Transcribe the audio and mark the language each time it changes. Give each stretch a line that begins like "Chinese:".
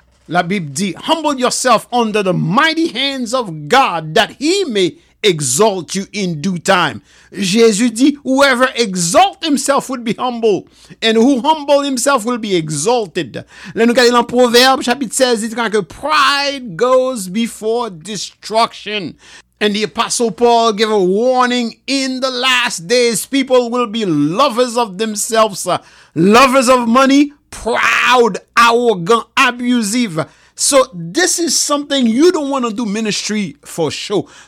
French: La Bible dit
English: humble yourself under the mighty hands of God that he may exalt you in due time.
French: Jésus dit
English: whoever exalt himself will be humble and who humble himself will be exalted.
French: Là nous regardons dans Proverbe chapitre 16 dit que
English: pride goes before destruction. And the Apostle Paul gave a warning in the last days people will be lovers of themselves, lovers of money, proud, arrogant, abusive. So this is something you don't want to do ministry for show.